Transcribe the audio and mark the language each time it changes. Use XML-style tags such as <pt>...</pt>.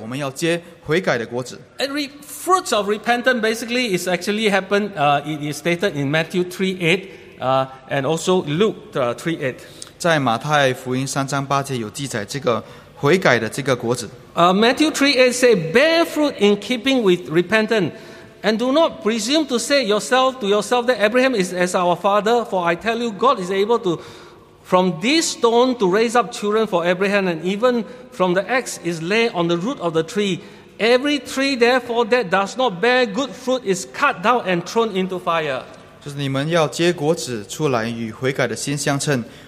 <zh>所以如果你不结果子，你就是坏，你就是坏树。所以我们不要耽误，我们要悔改，我们要结悔改的果子。</zh> <en>Every fruit of repentance basically is actually happened, it is stated in Matthew 3:8, and also Luke 3:8.</en> <zh>在马太福音3:8节有记载这个悔改的这个果子。</zh> <en>Matthew 3:8 say, bear fruit in keeping with repentance, and do not presume to say yourself to yourself that Abraham is as our father, for I tell you, God is able to, from this stone, to raise up children for Abraham, and even from the axe is laid on the root of the tree. Every tree, therefore, that does not bear good fruit is cut down and thrown into fire.</en> <zh>就是你们要结果子出来与悔改的心相称。</zh>